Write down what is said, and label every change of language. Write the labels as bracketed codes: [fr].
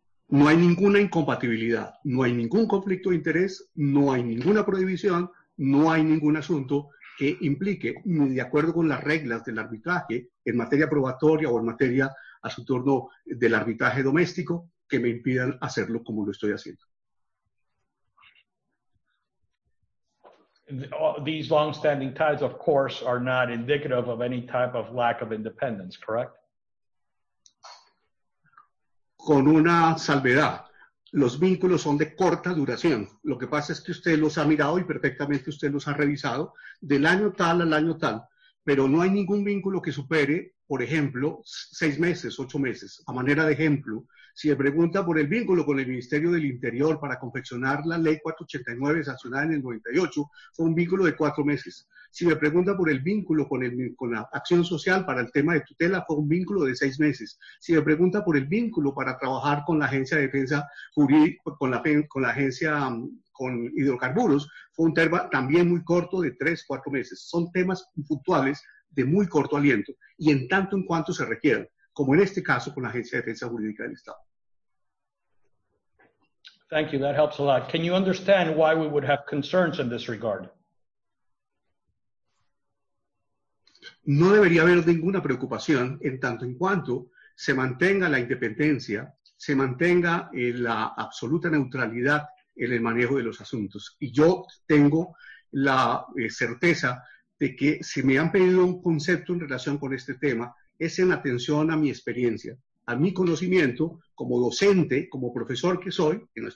[es] No hay ninguna incompatibilidad, no hay ningún conflicto de interés, no hay ninguna prohibición, no hay ningún asunto que implique, ni de acuerdo con las reglas del arbitraje en materia probatoria o en materia a su turno del arbitraje doméstico, que me impidan hacerlo como lo estoy haciendo. [en] These long-standing ties, of course, are not indicative of any type of lack of independence, correct? [es] Con una salvedad. Los vínculos son de corta duración. Lo que pasa es que usted los ha mirado y perfectamente usted los ha revisado del año tal al año tal, pero no hay ningún vínculo que supere, por ejemplo, 6 meses, 8 meses. A manera de ejemplo, si me pregunta por el vínculo con el Ministerio del Interior para confeccionar la ley 489 sancionada en el 98, fue un vínculo de 4 meses. Si me pregunta por el vínculo con la acción social para el tema de tutela, fue un vínculo de 6 meses. Si me pregunta por el vínculo para trabajar con la agencia de defensa jurídica, con la agencia con hidrocarburos, fue un tema también muy corto de 3-4 meses. Son temas puntuales de muy corto aliento y en tanto en cuanto se requieran, como en este caso con la Agencia de Defensa Jurídica del Estado. [en] Thank you, that helps a lot. Can you understand why we would have concerns in this regard? [es] No debería haber ninguna preocupación en tanto en cuanto se mantenga la independencia, se mantenga la absoluta neutralidad en el manejo de los asuntos. Y yo tengo la certeza de que si me han pedido un concepto en relación con este tema, es en atención a mi experiencia, a mi conocimiento como docente, como profesor que soy,